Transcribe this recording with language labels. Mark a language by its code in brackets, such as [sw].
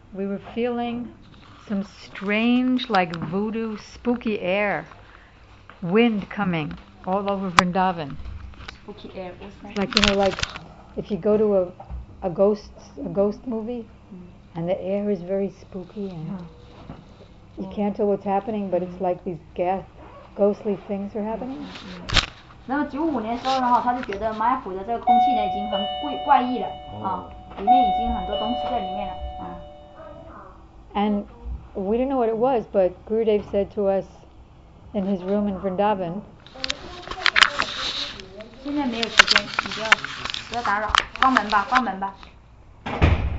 [en] We were feeling some strange, like voodoo, spooky air, wind coming all over Vrindavan. Spooky air. Like you know, like if you go to a ghost movie. And the air is very spooky, and you can't tell what's happening, but it's like these ghostly things are happening. [zh] 那么九五年时候的话，他就觉得马普的这个空气呢已经很怪异了啊，里面已经很多东西在里面了啊。 And we didn't know what it was, but Gurudev said to us in his room in Vrindavan. 现在没有时间，你不要打扰，关门吧，关门吧。